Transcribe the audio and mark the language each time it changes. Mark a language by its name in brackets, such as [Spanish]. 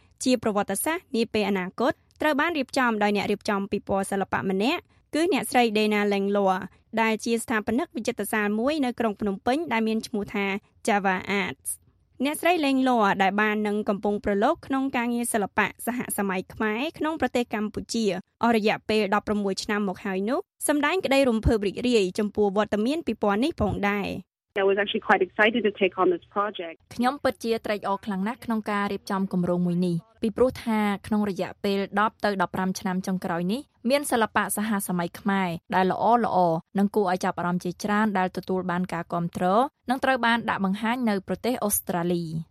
[Khmer] ជាប្រវត្តិសាស្ត្រនាពេលអនាគតត្រូវបានរៀបចំដោយអ្នករៀបចំពិព័រណ៍សិល្បៈម្នាក់គឺអ្នកស្រី Dena Landlaw ដែលជាស្ថាបនិកវិចិត្រសាលមួយនៅក្រុងភ្នំពេញដែលមានឈ្មោះថា Java Arts អ្នកស្រីលេងលัวដែលបាននឹងកំពុងប្រឡូកក្នុងការងារសិល្បៈសហសម័យខ្មែរក្នុងប្រទេសកម្ពុជាអស់រយៈពេល16ឆ្នាំមកហើយនោះសម្ដែងក្តីរំភើបរីករាយចំពោះវត្តមានពីពណ៌នេះផងដែរ [English] I was actually quite excited to take on this project [Khmer] ខ្ញុំពិតជាត្រេកអរខ្លាំងណាស់ក្នុងការរៀបចំគម្រោងមួយនេះពីព្រោះថាក្នុងរយៈពេល10ទៅ15ឆ្នាំចុងក្រោយនេះមានសិល្បៈសហសម័យខ្មែរដែលល្អល្អនិងគួរឲ្យចាប់អារម្មណ៍ជាច្រើនដែលទទួលបានការគាំទ្រនិងត្រូវបានដាក់បង្ហាញនៅប្រទេសអូស្ត្រាលី